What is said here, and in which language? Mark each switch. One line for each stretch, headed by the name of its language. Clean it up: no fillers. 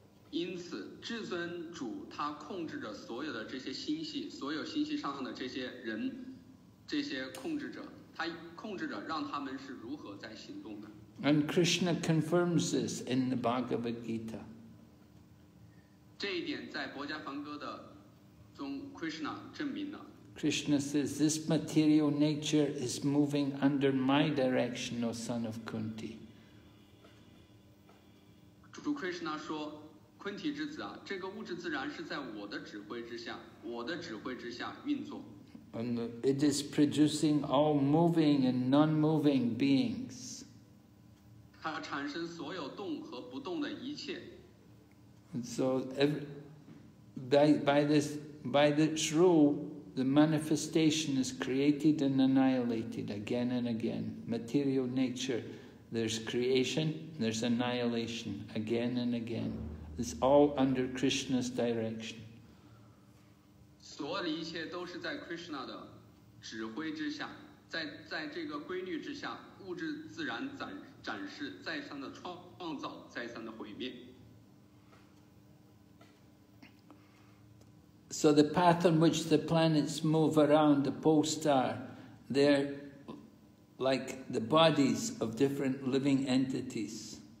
Chinese: 因此，至尊主他控制着所有的这些星系，所有星系上的这些人，这些控制者，他控制着让他们是如何在行动的。
English: And Krishna confirms this in the Bhagavad Gita.
Chinese: 这一点在博迦梵歌的中 Krishna 证明了。
English: Krishna says, this material nature is moving under my direction, O son of Kunti.
Chinese: 主 Krishna 说，昆提之子啊，这个物质自然是在我的指挥之下，我的指挥之下运作。
English: And it is producing all moving and non-moving beings.
Chinese: 它产生所有动和不动的一切。
English: So, by this rule,The manifestation is created and annihilated again and again. Material nature, there's creation, there's annihilation, again and again. It's all under Krishna's direction.
Chinese: 所有的一切都是在 Krishna 的指挥之下，在这个规律之下，物质自然展示再三的创造，再三的毁灭。
English: So the path on which the planets move around the pole star, they're like the bodies of different living entities.